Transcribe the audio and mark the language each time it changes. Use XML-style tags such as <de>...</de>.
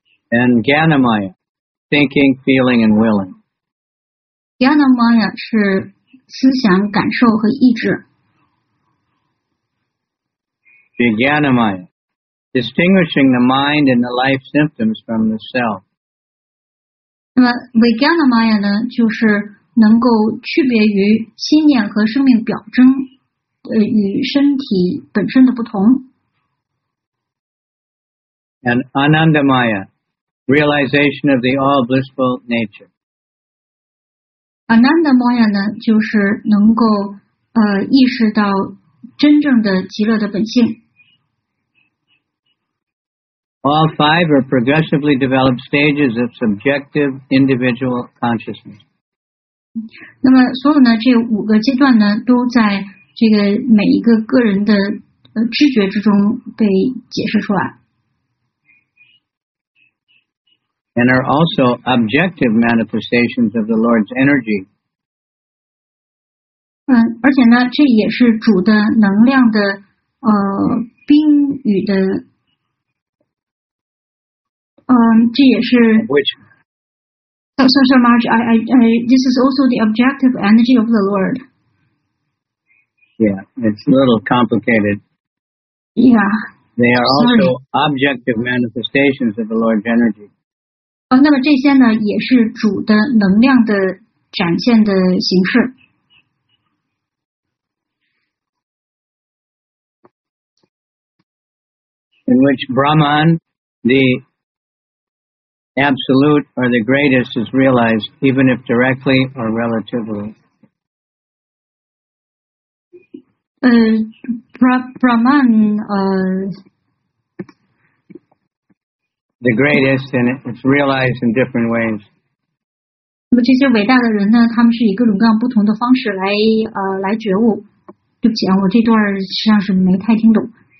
<en>And ganamaya, thinking, feeling, and willing.</en> <zh>Ganamaya 是思想、感受和意志。</zh> <en>Viganamaya. Distinguishing the mind and the life symptoms from the self.</en> <zh>Vijnanamaya 呢，就是能够区别于心念和生命表征与身体本身的不同。</zh> <en>And Anandamaya, realization of the all blissful nature.</en> <zh>Anandamaya 呢，就是能够意识到真正的极乐的本性。</zh> <en>All five are progressively developed stages of subjective individual consciousness.</en> <zh>那么所有呢，这五个阶段呢，都在这个每一个个人的知觉之中被解释出来。</zh> <en>And are also objective manifestations of the Lord's energy.</en> <zh>而且呢，这也是主的能量的冰与的。</zh> <en>Which? Oh, sorry, Marge. I this is also the objective energy of the Lord. Yeah, it's a little complicated. Yeah. They are also objective manifestations of the Lord's energy.</en> <zh>那么这些呢，也是主的能量的展现的形式。</zh> <en>In which Brahman, the absolute or the greatest, is realized, even if directly or relatively. Brahman, the greatest, and it's realized in different ways.</en> <zh>那么这些伟大的人呢，他们是以各种各样不同的方式来觉悟。对不起啊，我这段实际上是没太听懂。</zh>